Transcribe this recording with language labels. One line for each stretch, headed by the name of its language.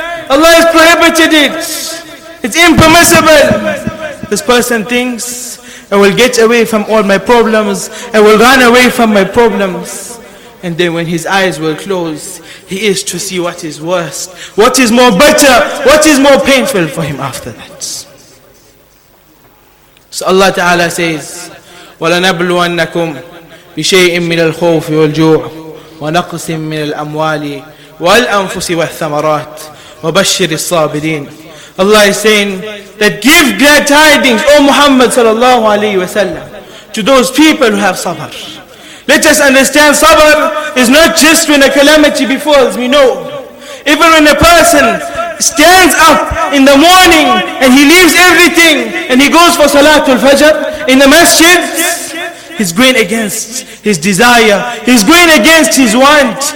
English: Allah has prohibited it. It's impermissible. This person thinks, I will get away from all my problems. I will run away from my problems. And then when his eyes will close, he is to see what is worst, what is more bitter, what is more painful for him after that.
Arabic: So Allah Ta'ala says, وَلَنَبْلُوَنَّكُمْ بِشَيْءٍ مِّنَ الْخَوْفِ وَالْجُوعِ وَنَقْسٍ مِّنَ الْأَمْوَالِ وَالْأَنفُسِ وَالثَّمَرَاتِ وَبَشِّرِ الصَّابِرِينَ.
English: Allah is saying that give glad tidings, O Muhammad sallallahu alayhi wa sallam, to those people who have sabr. Let us understand, sabr is not just when a calamity befalls, we know. Even when a person stands up in the morning and he leaves everything and he goes for Salatul Fajr in the masjid, he's going against his desire, he's going against his want.